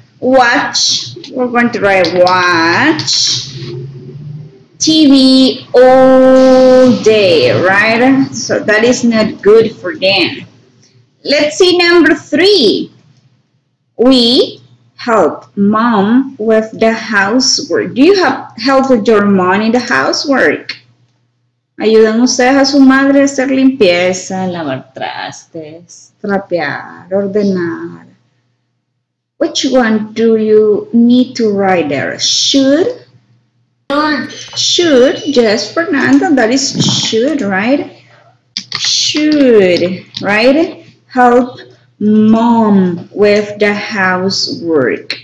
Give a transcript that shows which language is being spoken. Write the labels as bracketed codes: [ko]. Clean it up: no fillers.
[en] Watch, we're going to write watch TV all day, right? So that is not good for them. Let's see number three. We help mom with the housework. Do you have help with your mom in the housework? [es] ¿Ayudan ustedes a su madre a hacer limpieza, lavar trastes, trapear, ordenar? [en] Which one do you need to write there? Should? Should, yes, Fernando, that is should, right? Should, right? Help mom with the housework.